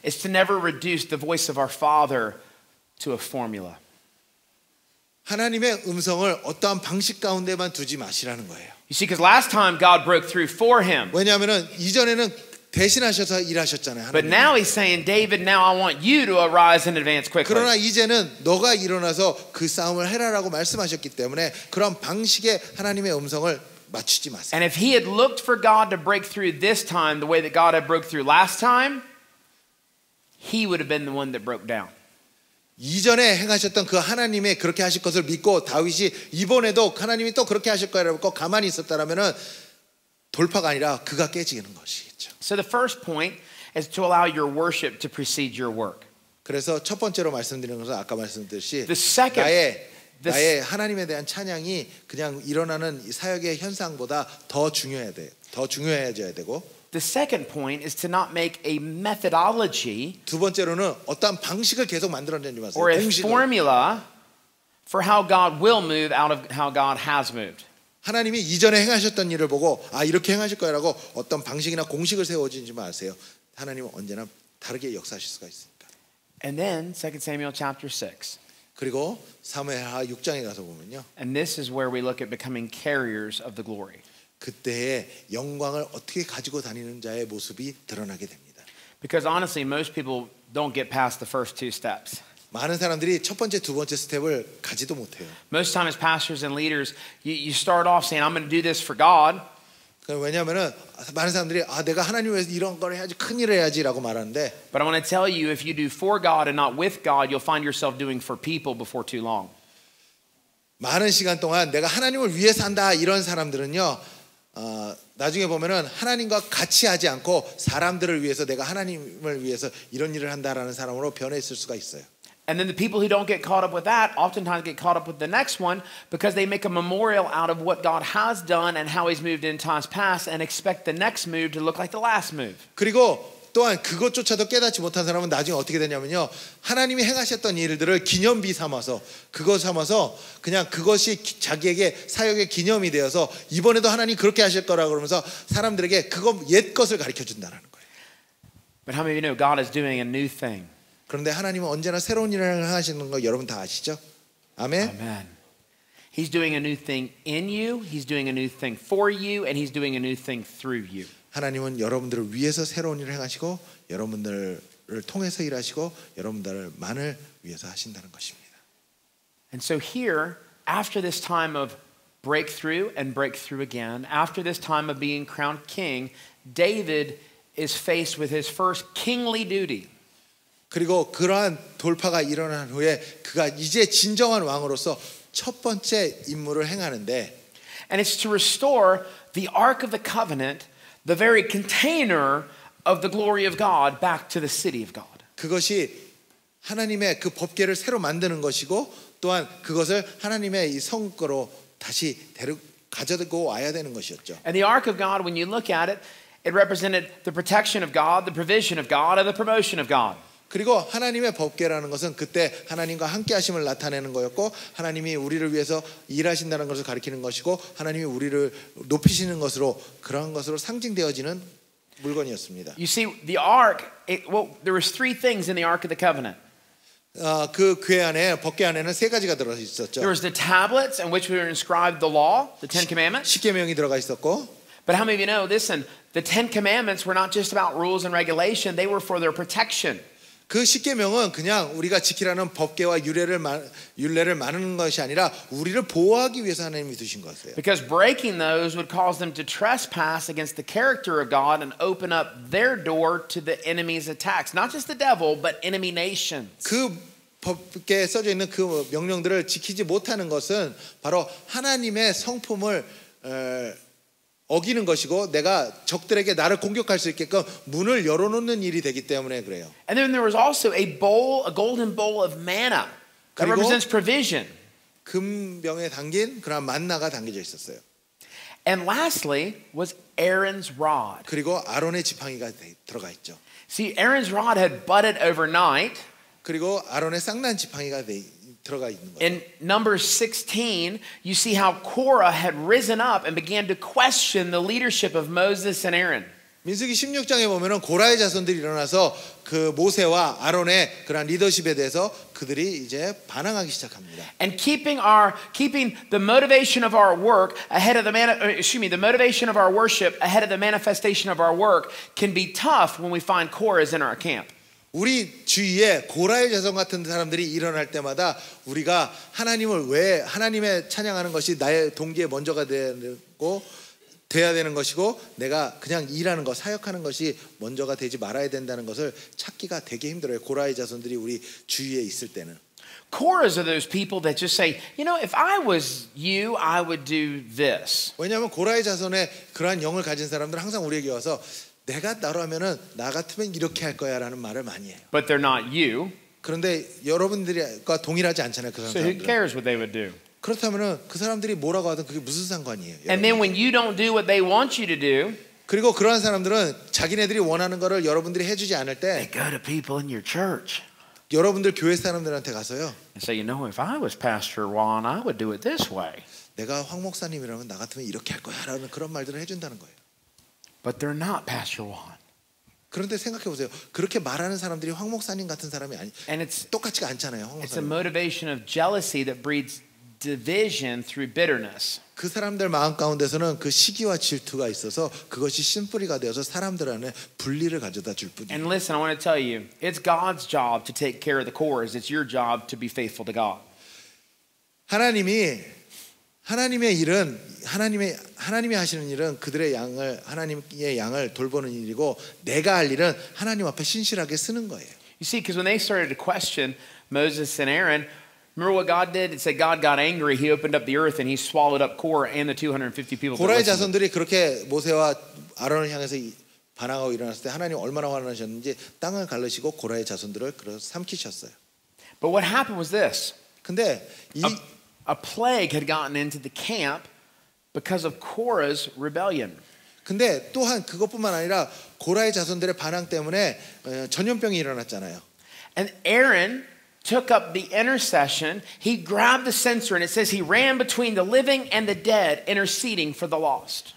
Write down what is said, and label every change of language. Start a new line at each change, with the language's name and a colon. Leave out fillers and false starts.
English: It's to never reduce the voice of our Father to a formula.
Korean: 하나님의 음성을 어떠한 방식 가운데만 두지 마시라는 거예요.
English: You see, because last time God broke through for him.
Korean: 왜냐하면은 이전에는 대신하셔서 일하셨잖아요. 하나님.
English: But now he's saying, David, now I want you to arise and advance quickly.
Korean: 그러나 이제는 너가 일어나서 그 싸움을 해라라고 말씀하셨기 때문에 그런 방식에 하나님의 음성을 맞추지 마세요.
English: And if he had looked for God to break through this time the way that God had broke through last time, He would have been the one that broke down.
Korean: 이전에 행하셨던 그 하나님의 그렇게 하실 것을 믿고 다윗이 이번에도 하나님이 또 그렇게 하실 거라고 가만히 있었다라면은 돌파가 아니라 그가 깨지는 것이겠죠.
English: So the first point is to allow your worship to precede your work.
Korean: 그래서 첫 번째로 말씀드리는 것은 아까 말씀드렸듯이 나의 하나님에 대한 찬양이 그냥 일어나는 사역의 현상보다 더 중요해야 돼. 더 중요해져야 되고
English: The second point is to not make a methodology
Korean: 두 번째로는 어떤 방식을 계속 만들어내지 마세요.
English: Or a formula for how God will move out of how God has moved.
Korean: 하나님이 이전에 행하셨던 일을 보고 아 이렇게 행하실 거라고 어떤 방식이나 공식을 세워지지 마세요. 하나님은 언제나 다르게 역사하실 수가 있습니다.
English: And then 2 Samuel chapter 6.
Korean: 그리고 사무엘하 6장에 가서 보면요.
English: And this is where we look at becoming carriers of the glory.
Korean: 그때의 영광을 어떻게 가지고 다니는 자의 모습이 드러나게 됩니다.
English: Because honestly, most people don't get past the first two steps.
Korean: 많은 사람들이 첫 번째, 두 번째 스텝을 가지도 못해요.
English: Most times, pastors and leaders, you start off saying, "I'm going to do this for God."
Korean: 왜냐하면은 많은 사람들이 아 내가 하나님 위해서 이런 걸 해야지 큰 일을 해야지라고 말하는데.
English: But I want to tell you, if you do for God and not with God, you'll find yourself doing for people before too long.
Korean: 많은 시간 동안 내가 하나님을 위해서 한다 이런 사람들은요. 나중에 보면은 하나님과 같이 하지 않고 사람들을 위해서 내가 하나님을 위해서 이런 일을 한다라는 사람으로 변했을 수가 있어요.
English: And then the people who don't get caught up with that oftentimes get caught up with the next one because they make a memorial out of what God has done and how He's moved in times past and expect the next move to look like the last move.
Korean: 그리고 또한 그것조차도 깨닫지 못한 사람은 나중에 어떻게 되냐면요. 하나님이 행하셨던 일들을 기념비 삼아서 그것 삼아서 그냥 그것이 자기에게 사역의 기념이 되어서 이번에도 하나님 그렇게 하실 거라고 그러면서 사람들에게 그거 옛 것을 가르쳐 준다라는 거예요.
English: But how many of you know God is doing a new thing?
Korean: 그런데 하나님은 언제나 새로운 일을 하시는 거 여러분 다 아시죠? 아멘.
English: Amen. He's doing a new thing in you, he's doing a new thing for you and he's doing a new thing through you.
Korean: 하나님은 여러분들을 위해서 새로운 일을 행하시고 여러분들을 통해서 일하시고 여러분들만을 위해서 하신다는 것입니다.
English: And so here, after this time of breakthrough and breakthrough again, after this time of being crowned king, David is faced with his first kingly duty.
Korean: 그리고 그러한 돌파가 일어난 후에 그가 이제 진정한 왕으로서 첫 번째 임무를 행하는데
English: And it's to restore the Ark of the Covenant the very container of the glory of God back to the city of God.
Korean: 그것이 하나님의 그 법궤를 새로 만드는 것이고 또한 그것을 하나님의 이 성으로 다시 가져들고 와야 되는 것이었죠.
English: And the ark of God when you look at it it represented the protection of God, the provision of God and the promotion of God.
Korean: 그리고 하나님의 법궤라는 것은 그때 하나님과 함께 하심을 나타내는 거였고 하나님이 우리를 위해서 일하신다는 것을 가리키는 것이고 하나님이 우리를 높이시는 것으로 그러한 것으로 상징되어지는 물건이었습니다.
English: You see the ark well there were three things in the ark of the covenant.
Korean: 그 궤 안에 법궤 안에는 세 가지가 들어 있었죠.
English: There was the tablets in which were inscribed the law, the Ten Commandments.
Korean: 십계명이 들어가 있었고
English: But how many of you know this and the Ten Commandments were not just about rules and regulation, they were for their protection.
Korean: 그 십계명은 그냥 우리가 지키라는 법궤와 율례를 만드는 것이 아니라 우리를 보호하기 위해서 하나님이 두신 것이에요.
English: Because breaking those would cause them to trespass against the character of God and open up their door to the enemy's attacks. Not just the devil, but enemy nations.
Korean: 그 법궤에 써져 있는 그 명령들을 지키지 못하는 것은 바로 하나님의 성품을 어기는 것이고 내가 적들에게 나를 공격할 수 있게끔 문을 열어놓는 일이 되기 때문에 그래요.
English: And then there was also a bowl, a golden bowl of manna that represents provision.
Korean: 금병에 담긴 그런 만나가 담겨져 있었어요.
English: And lastly was Aaron's rod.
Korean: 그리고 아론의 지팡이가 들어가 있죠.
English: See, Aaron's rod had budded overnight.
Korean: 그리고 아론의 쌍난 지팡이가
English: In Numbers 16, you see how Korah had risen up and began to question the leadership of Moses and Aaron.
Korean: 민수기 16장에 보면은 고라의 자손들이 일어나서 그 모세와 아론의 그런 리더십에 대해서 그들이 이제 반항하기 시작합니다.
English: And keeping the motivation of our work ahead of the motivation of our worship ahead of the manifestation of our work can be tough when we find Korah is in our camp.
Korean: 우리 주위에 고라의 자손 같은 사람들이 일어날 때마다 우리가 하나님을 왜 하나님의 찬양하는 것이 나의 동기에 먼저가 돼야 되는 것이고 내가 그냥 일하는 것, 사역하는 것이 먼저가 되지 말아야 된다는 것을 찾기가 되게 힘들어요. 고라의 자손들이 우리 주위에 있을 때는.
English: Korahs are those people that just say, you know, if I was you, I would do this.
Korean: 왜냐하면 고라의 자손에 그러한 영을 가진 사람들은 항상 우리에게 와서 내가 나라면은 나 같으면 이렇게 할 거야라는 말을 많이 해요.
English: But they're not you.
Korean: 그런데 여러분들과 동일하지 않잖아요, 그 사람들은.
English: So who cares what they would do?
Korean: 그렇다면은 그 사람들이 뭐라고 하든 그게 무슨 상관이에요.
English: And
Korean: 여러분들.
English: then when you don't do what they want you to do.
Korean: 그리고 그러한 사람들은 자기네들이 원하는 거를 여러분들이 해 주지 않을 때
English: They go to people in your church.
Korean: 여러분들 교회 사람들한테 가서요.
English: So you know if I was Pastor Juan, I would do it this way.
Korean: 내가 황 목사님이라면 나 같으면 이렇게 할 거야라는 그런 말들을 해 준다는 거예요.
English: But they're not Pastor Juan.
Korean: 그런데 생각해 보세요. 그렇게 말하는 사람들이 황 목사님 같은 사람이 아니.
English: And it's
Korean: 똑같지가 않잖아요, 황 목사님.
English: It's a motivation of jealousy that breeds division through bitterness.
Korean: 그 사람들 마음 가운데서는 그 시기와 질투가 있어서 그것이 심뿌리가 되어서 사람들 안에 분리를 가져다 줄 뿐이에요.
English: And listen, I want to tell you, it's God's job to take care of the cores. It's your job to be faithful to God.
Korean: 하나님의 일은 하나님이 하시는 일은 그들의 양을 하나님의 양을 돌보는 일이고 내가 할 일은 하나님 앞에 신실하게 쓰는 거예요.
English: You see, because when they started to question Moses and Aaron. Remember what God did? It said God got angry. He opened up the earth and he swallowed up Korah and the 250 people.
Korean: 고라의 자손들이 그렇게 모세와 아론을 향해서 반항하고 일어났을 때 하나님 얼마나 화나셨는지 땅을 갈르시고 고라의 자손들을 그렇게 삼키셨어요.
English: But what happened was this.
Korean: 근데 이
English: a plague had gotten into the camp because of Korah's rebellion.
Korean: 근데 또한 그것뿐만 아니라 고라의 자손들의 반항 때문에 전염병이 일어났잖아요.
English: And Aaron took up the intercession, he grabbed the censer and it says he ran between the living and the dead interceding for the lost.